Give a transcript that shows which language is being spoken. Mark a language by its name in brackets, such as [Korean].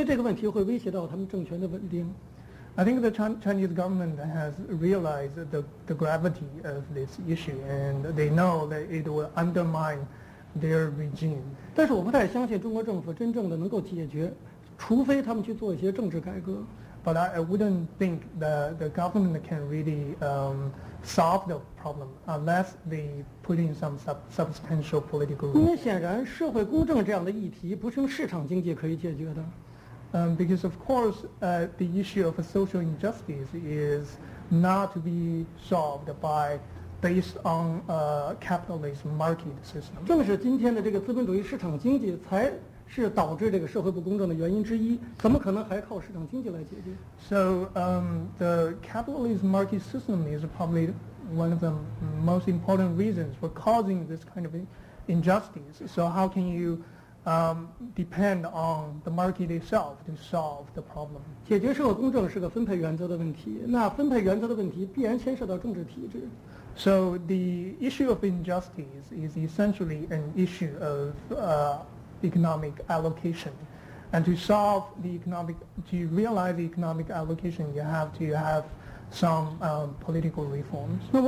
[Chinese] 我当然承认说中国政府现在也认识到这个问题的严重性，因为这个问题会威胁到他们政权的稳定。 [English] I think the Chinese government has realized the gravity of this issue, and they know that it will undermine their regime. [Chinese] 但是我不太相信中国政府真正的能够解决，除非他们去做一些政治改革。 [English] But I wouldn't think that the government can really solve the problem unless they put in some substantial political rules. [Chinese] 因为显然社会公正这样的议题不是用市场经济可以解决的。 [English] Because of course the issue of social injustice is not to be solved based on a capitalist market system. [Chinese] 正是今天的这个资本主义市场经济才 是导致这个社会不公正的原因之一，怎么可能还靠市场经济来解决？ [English] So the capitalist market system is probably one of the most important reasons for causing this kind of injustice. So how can you depend on the market itself to solve the problem? [Chinese] 解决社会公正是个分配原则的问题，那分配原则的问题必然牵涉到政治体制。 [English] So the issue of injustice is essentially an issue of economic allocation, and to realize the economic allocation, you have to have some political reforms.